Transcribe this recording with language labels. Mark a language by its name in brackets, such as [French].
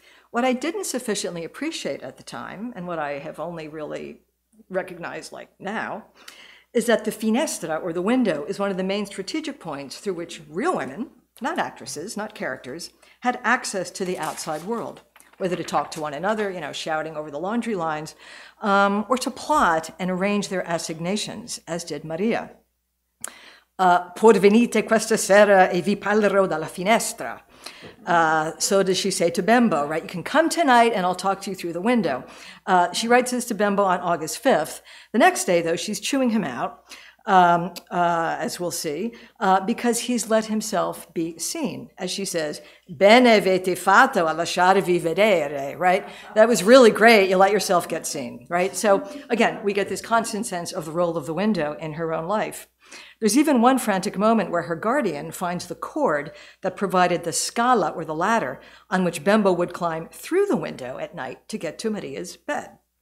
[English] What I didn't sufficiently appreciate at the time, and what I have only really recognized like now, is that the finestra, or the window, is one of the main strategic points through which real women, not actresses, not characters, had access to the outside world, whether to talk to one another, you know, shouting over the laundry lines, or to plot and arrange their assignations, as did Maria. [Italian] Por venite questa sera e vi parlerò dalla finestra. [English] So does she say to Bembo, right? You can come tonight and I'll talk to you through the window. She writes this to Bembo on August 5th. The next day, though, she's chewing him out, as we'll see, because he's let himself be seen. As she says, [Italian] bene avete fatto a lasciarvi vedere, [English] right? That was really great. You let yourself get seen, right? So again, we get this constant sense of the role of the window in her own life. There's even one frantic moment where her guardian finds the cord that provided the scala, or the ladder, on which Bembo would climb through the window at night to get to Maria's bed.